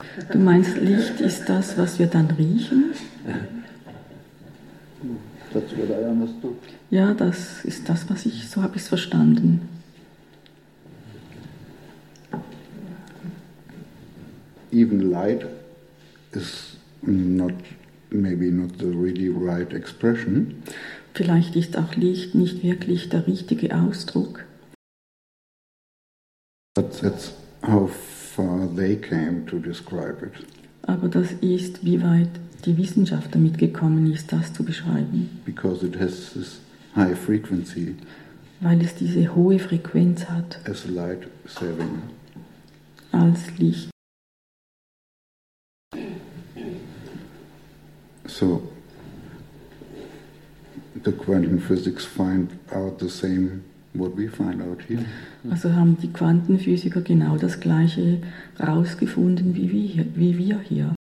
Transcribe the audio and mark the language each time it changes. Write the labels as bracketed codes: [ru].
[de] Du meinst, Licht ist das, was wir dann riechen? [en] That's what I understood. [de] Ja, das ist das, was ich, so habe ich es verstanden. [en] Even light is not maybe not the really right expression. [de] Vielleicht ist auch Licht nicht wirklich der richtige Ausdruck. [en] But that's how far they came to describe it. [de] Aber das ist, wie weit die Wissenschaft damit gekommen ist, das zu beschreiben. [en] Because it has this high frequency. [de] Weil es diese hohe Frequenz hat. [en] As light saving. [de] Als Licht. [en] So, the quantum physics find out the same what we find out here. [de] Also haben die Quantenphysiker genau das gleiche rausgefunden wie wir hier.